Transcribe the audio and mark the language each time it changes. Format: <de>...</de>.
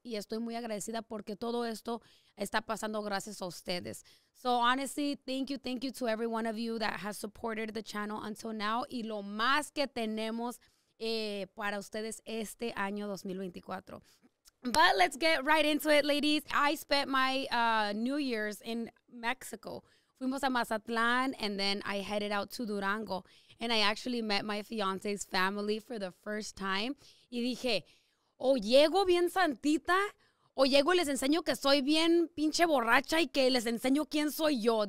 <es>Y estoy muy agradecida porque todo esto está pasando gracias a ustedes.</es> <en>So, honestly, thank you to every one of you that has supported the channel until now.</en> <es>Y lo más que tenemos para ustedes este año 2024.</es> <en>But let's get right into it, ladies. I spent my New Year's in Mexico.</en> <es>Fuimos a Mazatlán,</es> <en>and then I headed out to Durango. And I actually met my fiance's family for the first time.</en> <es>Y dije, o llego bien santita, o llego y les enseño que soy bien pinche borracha y que les enseño quién soy yo.</es>